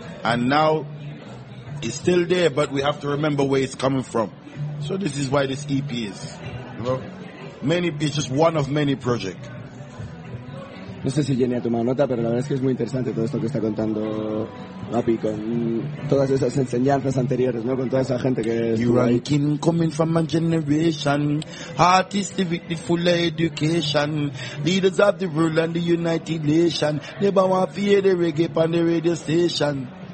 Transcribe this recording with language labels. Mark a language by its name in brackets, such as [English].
[English] And now it's still there, but we have to remember where it's coming from. So this is why this EP is, you know. It's just one of many projects. [Spanish] No sé si Jenny ha tomado nota, pero la verdad es que es muy interesante todo esto que está contando Gapi, con todas esas enseñanzas anteriores, ¿no? Con toda esa gente que es. [English] You are king coming from my generation, artists with the full education, leaders of the world and the United Nations, never want to hear the reggae on the radio station.